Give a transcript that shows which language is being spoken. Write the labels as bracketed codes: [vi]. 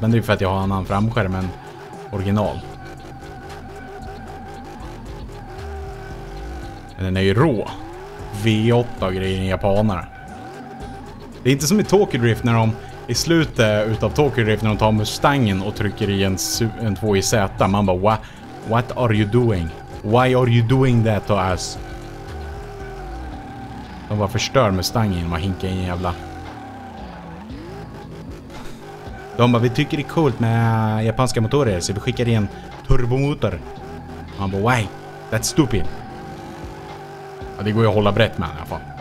[sv] Men det är för att jag har en annan framskärm än original. Men den är ju rå. V8 och grejer i japanare. Det är inte som i Tokyo Drift när de i slutet utav Tokyo Drift när de tar Mustangen och trycker i en 2 i Z. Man bara, [en] what are you doing? Why are you doing that to us? [sv] De bara förstör Mustangen och hinkar in en jävla... De bara, vi tycker det är coolt med japanska motorer så vi skickar in turbomotor. Man bara, [en] why? That's stupid. [sv] Ja, det går ju att hålla brett med i alla fall.